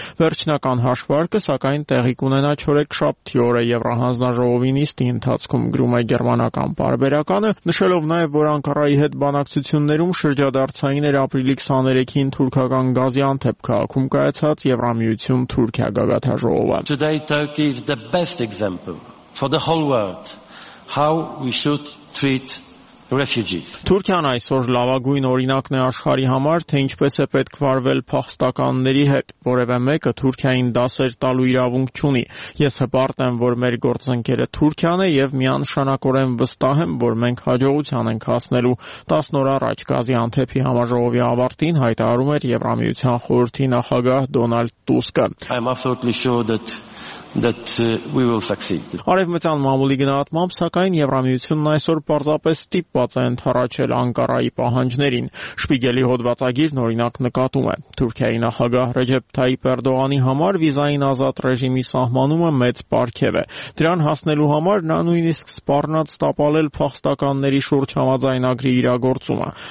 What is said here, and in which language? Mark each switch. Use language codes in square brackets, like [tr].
[hy] Վերջնական հաշվարկը, սակայն, տեղի կունենա չորեքշաբթի օրը Եվրոհանձնաժողովի նիստի ընթացքում, գրում է գերմանական պարբերականը, նշելով նաև, որ Անկարայի հետ բանակցություններում շրջադարձային էր ապրիլի 23-ին թուրքական Գազիանտեփ քաղաքում կայացած Եվրամիություն Թուրքիա գագաթաժողովը։ [en] Today Turkey is the best example for the whole world how we should treat refugees. [hy] Թուրքիան այսօր լավագույն օրինակն է աշխարհի համար, թե ինչպես է պետք վարվել փախստականների հետ, որևէ մեկը Թուրքիային դասեր տալու իրավունք չունի։ Ես հպարտ եմ, որ մեր գործընկերը Թուրքիան է, եւ միանշանակորեն վստահ եմ, որ մենք հաջողության ենք հասնելու։ 10 օր առաջ Գազիանտեփի համաժողովի ավարտին հայտարարում էր Եվրամիության խորհրդի նախագահ Դոնալդ Տուսկը։ [en] I'm absolutely sure that we will succeed. [hy] Արևմտյան մամուլի գնահատմամբ, սակայն, Եվրամիությունն այսօր պարզապես ստիպված է ընդառաջել Անկարայի պահանջներին։ Շպիգելի հոդվածագիրն օրինակ նկատում է. Թուրքիայի նախագահ Ռեջեփ Թայիփ Էրդողանի համար վիզային ազատ ռեժիմի սահմանումը մեծ պարգև է։ Դրան հասնելու համար նա նույնիսկ սպառնաց տապալել փախստականների շուրջ համաձայնագրի իրագործումը։